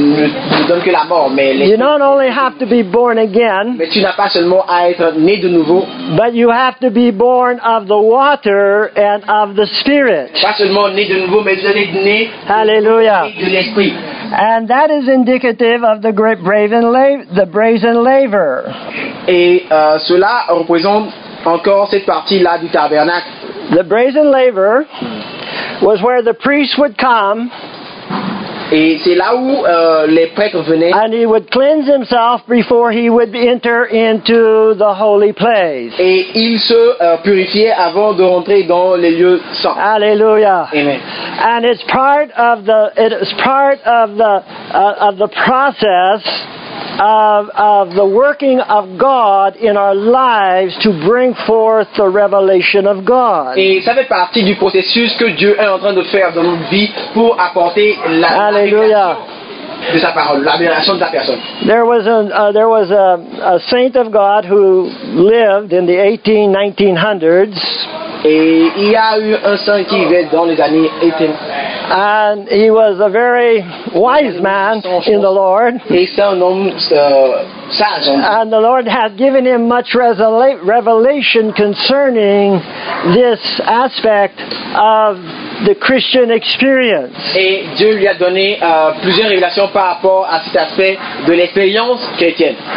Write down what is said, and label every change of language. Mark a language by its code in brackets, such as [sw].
[en] You don't only have to be born again. [fr] Mais tu n'as pas seulement à être né de nouveau. [en] But you have to be born of the water and of the Spirit. [fr] Pas seulement né de nouveau, mais tu es né. [en] Hallelujah. [fr] De l'esprit. [en] And that is indicative of the great brazen laver. [fr] Et cela représente encore cette partie-là du tabernacle. [en] The brazen laver was where the priest would come. [fr] Et c'est là où les prêtres venaient. [en] And he would cleanse himself before he would enter into the holy place. [fr] Et il se purifiait avant de rentrer dans les lieux saints. Alléluia. Amen. [en] And it's part of the of the process of the working of God in our lives to bring forth the revelation of God. [fr] Et ça fait partie du processus que Dieu est en train de faire dans notre vie pour apporter la Alléluia. De sa parole, l'admiration de sa personne. [en] There was a saint of God who lived in the 1900s. [fr] Et il y a eu un saint qui vivait dans les années 18. [en] And he was a very wise man in the Lord. And the Lord had given him much revelation concerning this aspect of the Christian experience. [fr] Et Dieu lui a donné plusieurs révélations par rapport à cet aspect de l'expérience chrétienne.